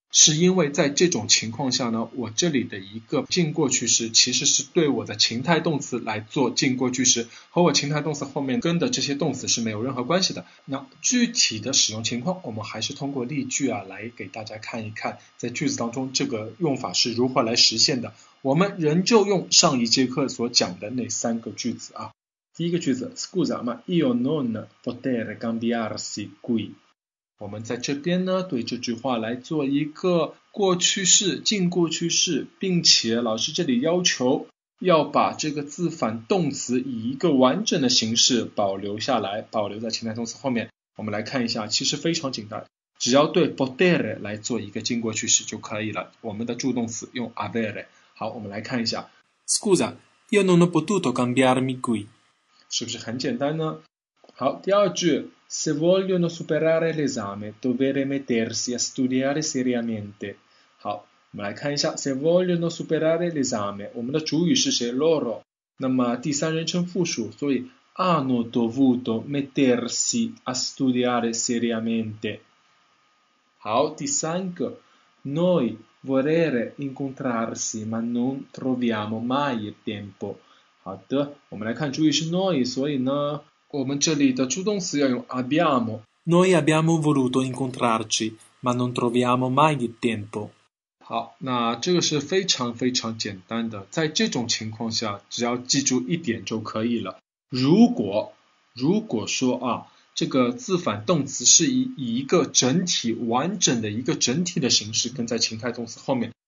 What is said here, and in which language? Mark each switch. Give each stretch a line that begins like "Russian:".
Chinese: 是因为在这种情况下呢，我这里的一个近过去时其实是对我的情态动词来做近过去时，和我情态动词后面跟的这些动词是没有任何关系的。那具体的使用情况，我们还是通过例句啊来给大家看一看，在句子当中这个用法是如何来实现的。我们仍旧用上一节课所讲的那三个句子啊。第一个句子
Italian: ，Scusa, ma io non poter cambiarsi qui。
Chinese: 我们在这边呢，对这句话来做一个过去式、近过去式，并且老师这里要求要把这个自反动词以一个完整的形式保留下来，保留在情态动词后面。我们来看一下，其实非常简单，只要对 poter 来做一个近过去式就可以了。我们的助动词用 avere。好，我们来看一下
Italian: ，Scusa, io non ho potuto cambiarmi qui。
Chinese: 是不是很简单呢？好，第二句
Italian: ，Se vogliono superare l'esame, dovere mettersi a studiare seriamente。
Chinese: 好，我们来看一下 ，
Italian: Se vogliono superare l'esame，
Chinese: 我们的主语是谁 ？Loro。那么第三人称复数，所以
Italian: hanno dovuto mettersi a studiare seriamente。
Chinese: 好，第三个
Italian: ，Noi vorremmo incontrarsi, ma non troviamo mai il tempo。
Chinese: 好的，我们来看主语是 noi， 所以呢，我们这里的助动词要用 abbiamo。
Italian: Noi abbiamo voluto incontrarci, ma non troviamo mai il tempo。
Chinese: 好，那这个是非常非常简单的，在这种情况下，只要记住一点就可以了。如果说啊，这个自反动词是以一个整体完整的一个整体的形式跟在情态动词后面。